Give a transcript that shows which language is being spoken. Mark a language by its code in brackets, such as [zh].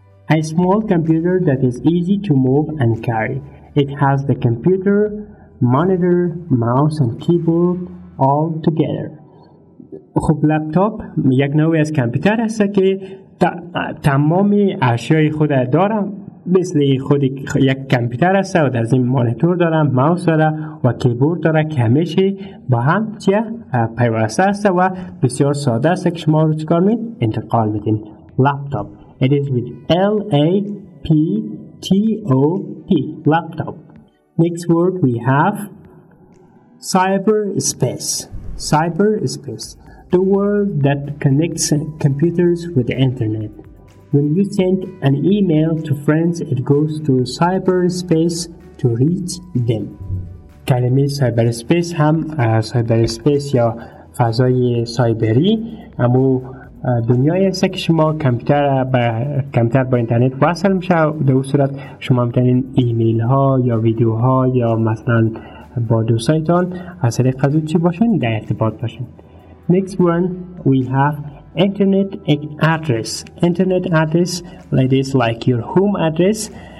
[en] A small computer that is easy to move and carry. It has the computer, monitor, mouse and keyboard all together. [fa] خب لپتاپ یک نوعی از کامپیوتر هست که تمام اشیای خود دارم، مثل خود یک کامپیوتر هست و در زمین مانیتور دارم، ماوس دارم و کیبورد دارم که همیشه با هم چیه پیوسته هست و بسیار ساده است که شما رو چکار می انتقال میدین. [en] Laptop. It is with L-A-P-T-O-P. Laptop. Next word we have cyberspace. Cyberspace. The world that connects computers with the internet. When you send an email to friends, it goes to cyberspace to reach them. [fa] کلمه cyberspace هم cyberspace یا فضای سایبری، اما دنیای است که شما کمپیوتر با اینترنت وصل میشه. در صورت شما میتونین ایمیل ها یا ویدیو ها یا مثلا با دوستایتان از طریق از چی باشین در ارتباط باشین. [en] Next one we have internet address. Internet address, it is like your home address.